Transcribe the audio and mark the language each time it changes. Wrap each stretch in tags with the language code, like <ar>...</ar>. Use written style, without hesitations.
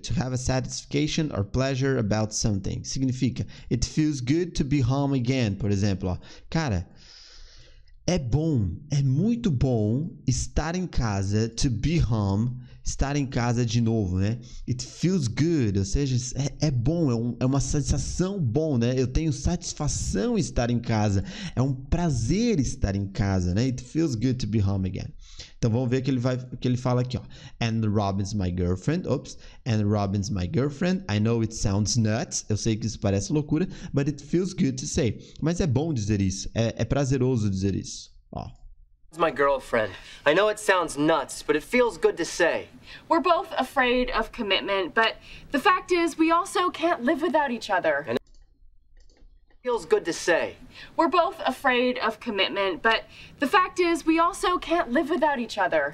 <en>To have a satisfaction or pleasure about something.</en> <pt>Significa,</pt> <en>it feels good to be home again,</en> <pt>por exemplo. Cara, é bom, é muito bom estar em casa,</pt> <en>to be home,</en> <pt>estar em casa de novo, né?</pt> <en>It feels good,</en> <pt>ou seja, é bom, é uma sensação bom, né? Eu tenho satisfação em estar em casa, é um prazer estar em casa, né?</pt> <en>It feels good to be home again.</en> <pt>Então vamos ver o que ele fala aqui, ó.</pt> <en>And Robin's my girlfriend, oops. And Robin's my girlfriend, I know it sounds nuts,</en> <pt>eu sei que isso parece loucura,</pt> <en>but it feels good to say.</en> <pt>Mas é bom dizer isso, é prazeroso dizer isso, ó.</pt> <en>My girlfriend. I know it sounds nuts, but it feels good to say. We're both afraid of commitment, but the fact is we also can't live without each other. And it feels good to say. We're both afraid of commitment, but the fact is we also can't live without each other.</en>